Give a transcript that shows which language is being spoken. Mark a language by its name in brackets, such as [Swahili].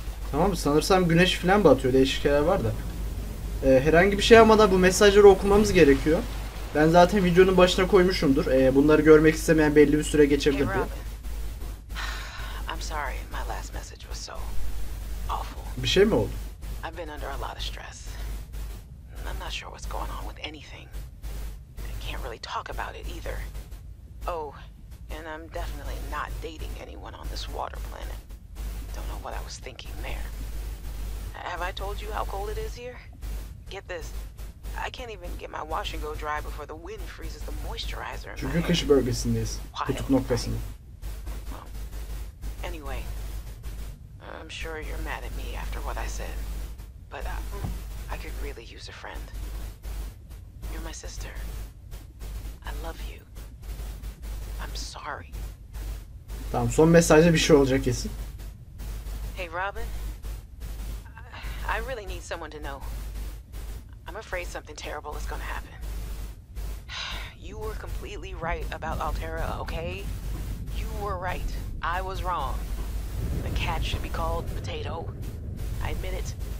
[Turkish] Tamam, sanırsam güneş falan batıyor. Değişiklikler var da. Herhangi bir şey yapmadan bu mesajları okumamız gerekiyor. Ben zaten videonun başına koymuşumdur. Bunları görmek istemeyen belli bir süre geçebilir diye. [English] I'm sorry. My last message was so awful. [Turkish] Bir şey mi oldu? [English] I've been under a lot of stress. I'm not sure what's going on with anything. I can't really talk about it either. Oh, and I'm definitely not dating anyone on this water planet. Don't know what I was thinking there. Have I told you how cold it is here? Get this. I can't even get my wash and go dry before the wind freezes the moisturizer. [Turkish] Çünkü kış bölgesindeyiz. Kutup noktasında. [English] Well, anyway, I'm sure you're mad at me after what I said. But I could really use a friend. You're my sister. I love you. I'm sorry. [Turkish] Tamam, son mesajda bir şey olacak kesin. [English] Hey Robin, I really need someone to know. I'm afraid something terrible is gonna happen. You were completely right about Altera, okay? You were right. I was wrong. The cat should be called Potato. I admit it.